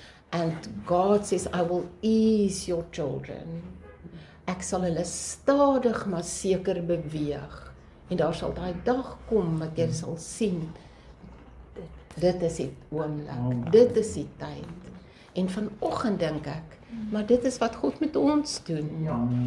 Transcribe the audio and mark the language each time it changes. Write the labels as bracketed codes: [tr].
[en] And God says I will ease your children. [af] Ek sal hulle stadig maar seker beweeg en daar sal daai dag kom wat jy sal sien. Dit is die oomblik. Dit is die tyd. En vanoggend dink ek, maar dit is wat God met ons doen.